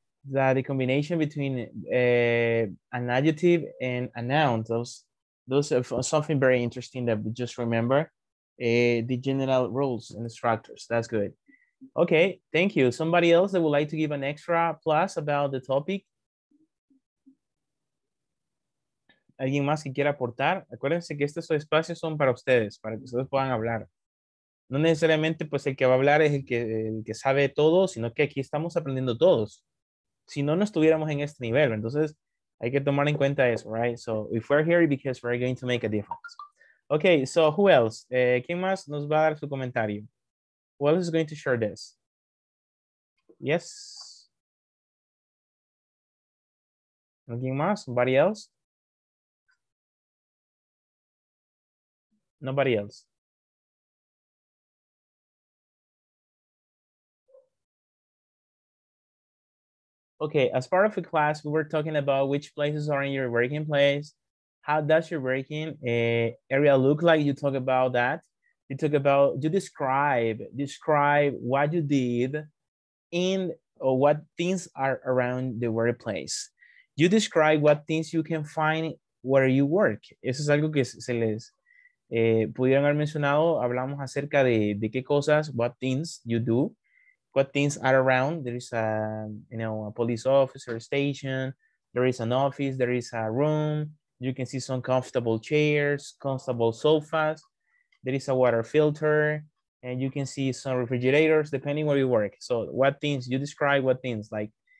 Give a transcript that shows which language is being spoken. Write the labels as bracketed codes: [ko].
[en] That the combination between an adjective and a noun, those are something very interesting that we just remember, the general rules and the structures. That's good. Okay, thank you. Somebody else that would like to give an extra plus about the topic? [es] ¿Alguien más que quiera aportar? Acuérdense que estos espacios son para ustedes puedan hablar. No necesariamente pues el que va a hablar es el que sabe todo, sino que aquí estamos aprendiendo todos. Si no, no estuviéramos en este nivel. Entonces, hay que tomar en cuenta eso, right? [en] So, if we're here, because we're going to make a difference. Okay, so who else? [es] ¿Quién más nos va a dar su comentario? [en] Who else is going to share this? Yes. [es] ¿Alguien más? [en] Somebody else? Nobody else. Okay, as part of the class, we were talking about which places are in your working place. How does your working area look like? You talk about that. You talk about, you describe what you did and what things are around the workplace. You describe what things you can find where you work. [es] Eso es algo que se les pudieron haber mencionado. Hablamos acerca de qué cosas, [en] what things you do. What things are around? There is a, you know, a police officer station. There is an office. There is a room. You can see some comfortable chairs, comfortable sofas. There is a water filter, and you can see some refrigerators. Depending where you work, so what things you describe? What things like